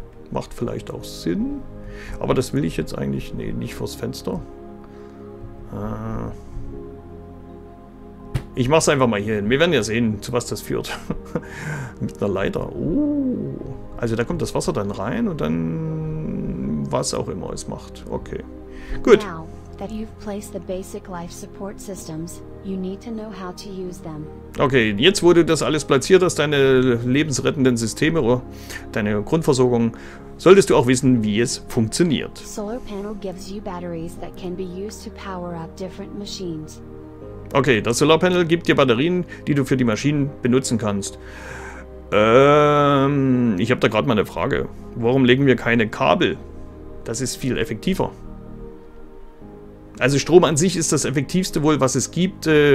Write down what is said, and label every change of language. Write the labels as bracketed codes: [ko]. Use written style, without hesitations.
[de] Macht vielleicht auch Sinn. Aber das will ich jetzt eigentlich, nee, nicht vors Fenster. Ich mach's einfach mal hier hin. Wir werden ja sehen, zu was das führt. Mit einer Leiter. Also da kommt das Wasser dann rein und dann was auch immer es macht. Okay. Gut. [en] Now that you've placed the basic life support systems, you need to know how to use them. [de] Okay, jetzt wo du das alles platziert hast, deine lebensrettenden Systeme oder deine Grundversorgung, solltest du auch wissen, wie es funktioniert. [en] Solar panel gives you batteries that can be used to power up different machines. [de] Okay, das Solarpanel gibt dir Batterien, die du für die Maschinen benutzen kannst. Ich habe da gerade mal eine Frage. Warum legen wir keine Kabel? Das ist viel effektiver. Also Strom an sich ist das Effektivste wohl, was es gibt.